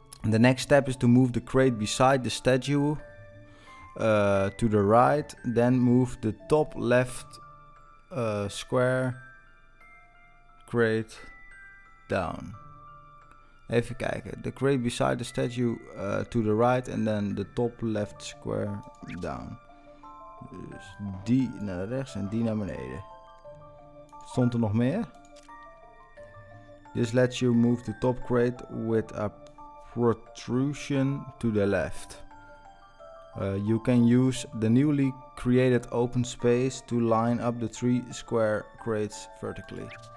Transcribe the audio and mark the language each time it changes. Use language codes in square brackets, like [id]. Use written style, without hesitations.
[en] The next step is to move the crate beside the statue to the right. Then move the top left square crate down. [nl] Even kijken. [en] The crate beside the statue to the right and then the top left square down. [nl] Dus die naar rechts en die naar beneden. Stond er nog meer? [en] This lets you move the top crate with a protrusion to the left. You can use the newly created open space to line up the three square crates vertically.